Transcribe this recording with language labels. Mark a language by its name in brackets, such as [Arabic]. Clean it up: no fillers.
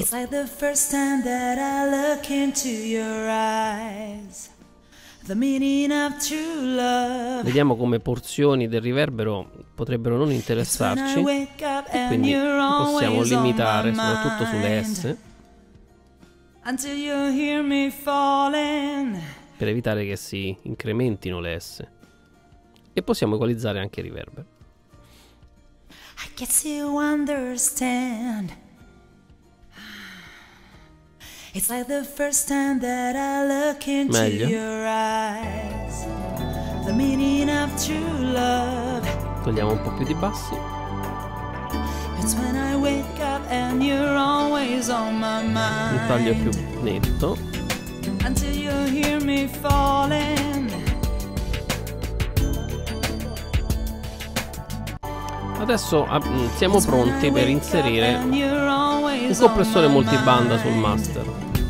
[English] It's like the first time that I look into your eyes. The meaning of true love. [Italian] Vediamo come porzioni del riverbero potrebbero non interessarci. E quindi possiamo limitare soprattutto sulle S. [English] Until you hear me falling. [Italian] Per evitare che si incrementino le S. E possiamo equalizzare anche il riverbero. [English] I guess you understand. It's like the first time that I look into [Italian] Meglio. [English] Your eyes. The meaning of true love. [Italian] Togliamo un po' più di bassi. [English] It's when I wake up and you're always on my mind. [Italian] Un taglio più netto. [English] Until you hear me falling. [Italian] Adesso siamo pronti per inserire un compressore multibanda sul master.